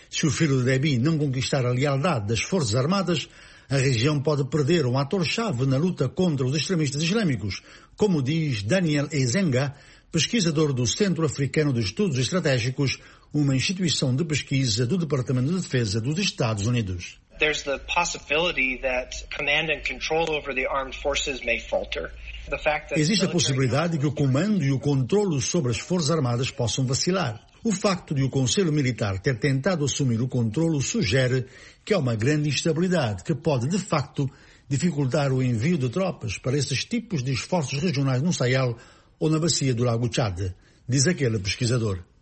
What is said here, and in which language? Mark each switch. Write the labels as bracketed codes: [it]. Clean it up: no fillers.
[pt] Se o filho de Deby não conquistar a lealdade das forças armadas, a região pode perder um ator-chave na luta contra os extremistas islâmicos, como diz Daniel Ezenga, pesquisador do Centro Africano de Estudos Estratégicos, uma instituição de pesquisa do Departamento de Defesa dos Estados Unidos. [en] There's the possibility that command and control over the armed forces may falter. [pt] Existe a possibilidade que o comando e o controlo sobre as forças armadas possam vacilar. O facto de o Conselho Militar ter tentado assumir o controlo sugere que há uma grande instabilidade que pode, de facto, dificultar o envio de tropas para esses tipos de esforços regionais no Sahel ou na bacia do Lago Chad, diz aquele pesquisador.